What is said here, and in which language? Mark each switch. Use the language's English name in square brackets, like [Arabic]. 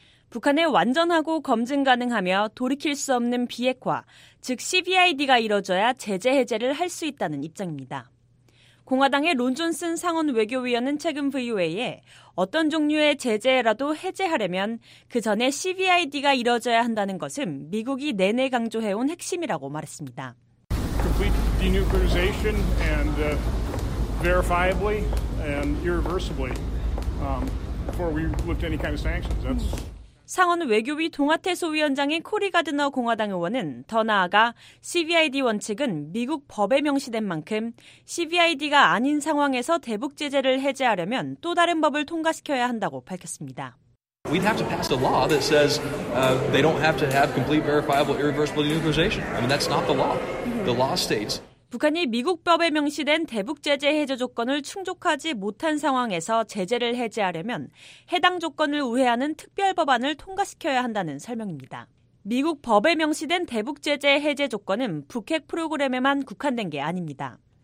[Korean] 북한의 완전하고 검증 가능하며 돌이킬 수 없는 비핵화, 즉 CBID가 이뤄져야 제재 해제를 할 수 있다는 입장입니다. 공화당의 론 존슨 상원 외교위원은 최근 VOA에 어떤 종류의 제재라도 해제하려면 그 전에 CBID가 이뤄져야 한다는 것은 미국이 내내 강조해온 핵심이라고 말했습니다. [English] Complete denuclearization and verifiably and irreversibly before we looked any kind of sanctions. That's... [Korean] 상원 외교위 동아태 소위원장인 코리 가드너 공화당 의원은 더 나아가 CVID 원칙은 미국 법에 명시된 만큼 CVID가 아닌 상황에서 대북 제재를 해제하려면 또 다른 법을 통과시켜야 한다고 밝혔습니다. [English] We'd have to pass a law that says they don't have to have complete verifiable irreversible denuclearization. I mean that's not the law. The law states [Korean] 북한이 미국 법에 명시된 대북 제재 해제 조건을 충족하지 못한 상황에서 제재를 해제하려면 해당 조건을 우회하는 특별 법안을 통과시켜야 한다는 설명입니다. 미국 법에 명시된 대북 제재 해제 조건은 북핵 프로그램에만 국한된 게 아닙니다.